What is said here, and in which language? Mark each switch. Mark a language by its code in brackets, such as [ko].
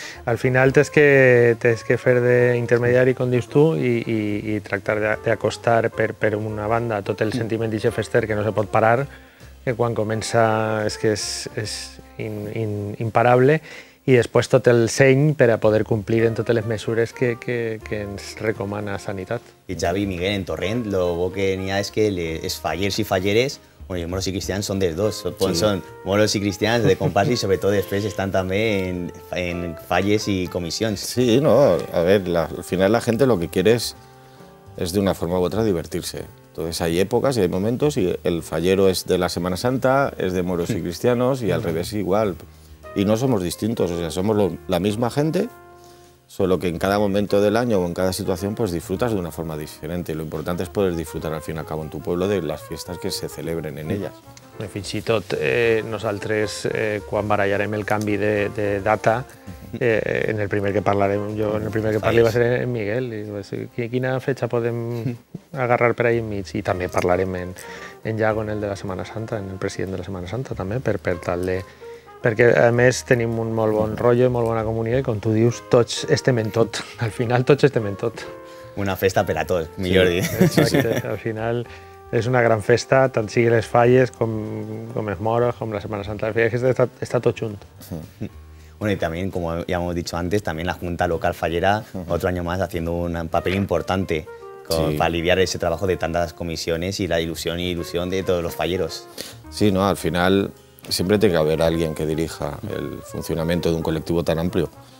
[ca] Al final tens que fer d'intermediari, com dius tu, i tractar d'acostar per una banda tot el sentiment d'aquest fester que no se pot parar, que quan comença és que és imparable, i després tot el seny per a poder complir en totes les mesures que ens recomana Sanitat. I Xavi, Miguel, en Torrent, el bo que n'hi ha és que les falleres i falleres, bueno, moros i cristians són dels dos, són moros i cristians de compàs i sobretot després estan també en falles i comissions. [es] Sí, no, a ver, al final la gente lo que quiere es de una forma u otra divertirse. Entonces hay épocas y hay momentos y el fallero es de la Semana Santa, es de moros y cristianos y al revés igual. Y no somos distintos, o sea, somos la misma gente, solo que en cada momento del año o en cada situación pues disfrutas de una forma diferente. Lo importante es poder disfrutar al fin y al cabo en tu pueblo de las fiestas que se celebren en ellas. [ca] Fins i tot nosaltres, quan barallarem el canvi de data, en el primer que parlarem, jo en el primer que parli va ser en Miguel, quina fecha podem agarrar per ahí enmig? I també parlarem en Iago, en el de la Setmana Santa, en el president de la Setmana Santa també, per tal de... Perquè, a més, tenim un molt bon rotllo i molt bona comunió i, com tu dius, tots estem en tot. Al final, tots estem en tot. Una festa per a tots, millor dir. Al final, és una gran festa, tant sigui les falles com els moros, com la Setmana Santa. Al final, està tot junt. [es] Bueno, y también, como ya hemos dicho antes, también la Junta Local Fallera, otro año más, haciendo un papel importante para aliviar ese trabajo de tantas comisiones y la ilusión y ilusión de todos los falleros. Sí, no, al final siempre tiene que haber alguien que dirija el funcionamiento de un colectivo tan amplio.